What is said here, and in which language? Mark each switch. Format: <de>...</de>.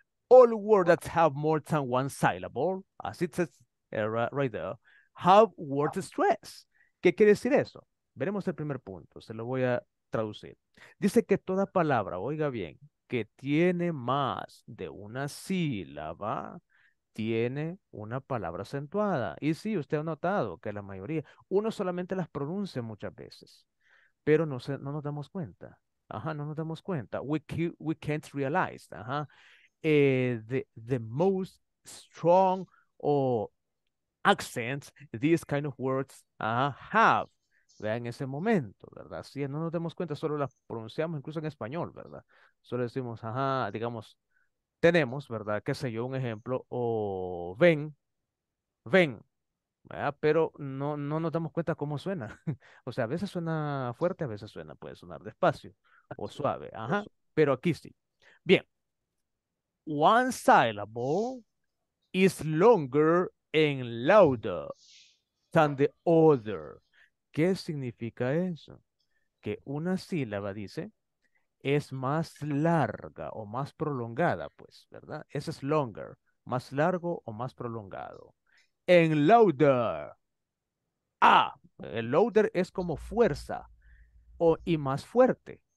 <en>All words that have more than one syllable, as it says right there, have word stress.</en> <es>¿Qué quiere decir eso? Veremos el primer punto, se lo voy a traducir. Dice que toda palabra, oiga bien, que tiene más de una sílaba, tiene una palabra acentuada. Y sí, usted ha notado que la mayoría, uno solamente las pronuncia muchas veces, pero no nos damos cuenta. Ajá, no nos damos cuenta.</es> <en>We can't realize.</en> <es>Ajá.</es> <en>The most strong or accents these kind of words have.</en> <es>Vean en ese momento, ¿verdad? Sí, no nos damos cuenta, solo las pronunciamos incluso en español, ¿verdad? Solo decimos, ajá, digamos. Tenemos, ¿verdad? Qué sé yo, un ejemplo, o ven, ¿verdad? Pero no nos damos cuenta cómo suena. O sea, a veces suena fuerte, a veces suena, puede sonar despacio o suave, ajá, pero aquí sí.</es> <en>Bien, one syllable is longer and louder than the other.</en> <es>¿Qué significa eso? Que una sílaba dice es más larga o más prolongada, pues, ¿verdad? Ese es longer, más largo o más prolongado. En louder. Ah, el louder es como fuerza y más fuerte.</es>